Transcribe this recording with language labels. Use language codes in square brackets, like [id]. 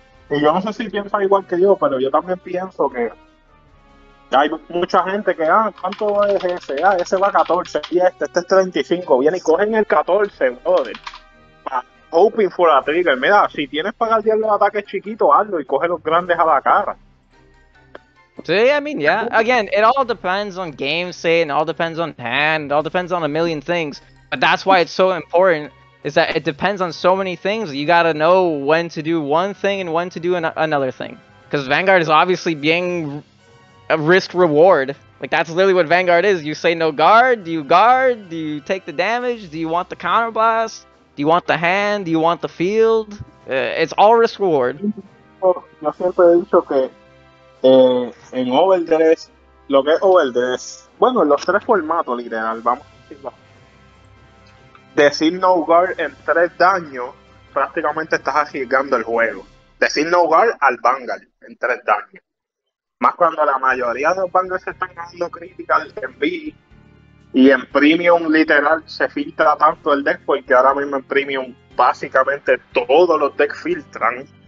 [es] Y yo no sé si piensa igual que yo, pero yo también pienso que hay mucha gente que, ¿cuánto es ese? Ese va 14, y este es 35, viene y cogen el 14, brother. [en] Hoping for a trigger. [es] Mira, si tienes para guardiar los ataques chiquitos, hazlo y coge los grandes a la cara. [en] See, I mean, yeah, again, it all depends on game state, and all depends on hand, it all depends on a million things, but that's why it's so important, is that it depends on so many things. You gotta know when to do one thing and when to do another thing, because Vanguard is obviously being a risk-reward, like, that's literally what Vanguard is. You say no guard, do you guard, do you take the damage, do you want the counterblast, do you want the hand, do you want the field, it's all risk-reward. [es] Yo siempre he dicho que... en Overdress, lo que es Overdress, bueno, en los tres formatos literal, vamos a decirlo. Decir no guard en tres daños, prácticamente estás arriesgando el juego. Decir no guard al Vanguard en tres daños. Más cuando la mayoría de los Vanguards están haciendo critical en B y en Premium literal se filtra tanto el deck, porque ahora mismo en Premium básicamente todos los decks filtran.